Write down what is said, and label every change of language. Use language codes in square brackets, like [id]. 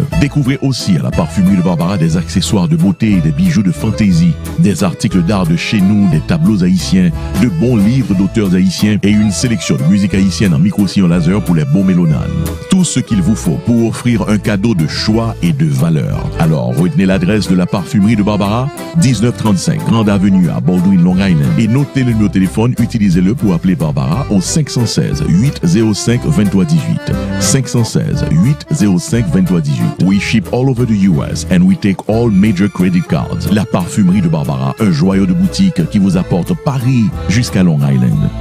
[fr] Découvrez aussi à la parfumerie de Barbara des accessoires de beauté et des bijoux de fantaisie, des articles d'art de chez nous, des tableaux haïtiens, de bons livres d'auteurs haïtiens et une sélection de musique haïtienne en micro-sillon laser pour les bons mélomanes. Tout ce qu'il vous faut pour offrir un cadeau de choix et de valeur. Alors, retenez l'adresse de la parfumerie de Barbara, 1935 Grande Avenue à Baldwin, Long Island. Et notez le numéro de téléphone, utilisez-le pour appeler Barbara au 516-805-2318. 516-805-2318. [en] We ship all over the US and we take all major credit cards. [fr] La parfumerie de Barbara, un joyau de boutique qui vous apporte Paris jusqu'à Long Island.